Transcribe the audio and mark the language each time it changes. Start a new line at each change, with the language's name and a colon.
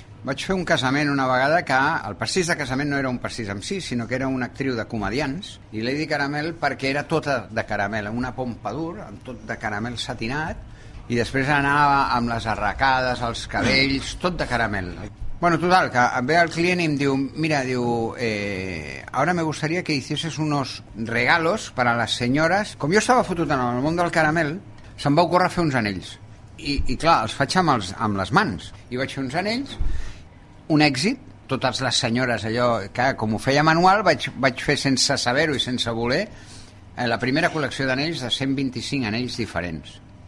Catalan: Vaig fer un casament una vegada que el pastís de casament no era un pastís en si, sinó que era una actriu de comedians, i Lady Caramel, perquè era tota de caramel, una pompadour amb tot de caramel satinat, i després anava amb les arracades, els cabells, tot de caramel. Bueno, total, que ve el client i em diu, mira, diu,
Spanish: ahora me gustaría que hicieses unos regalos para las señoras.
Catalan: Com jo estava fotut en el món del caramel, se'm va ocórrer fer uns anells. I clar, els faig amb les mans. I vaig fer uns anells, un èxit, totes les senyores, allò, que com ho feia manual, vaig fer sense saber-ho i sense voler, la primera col·lecció d'anells de 125 anells diferents.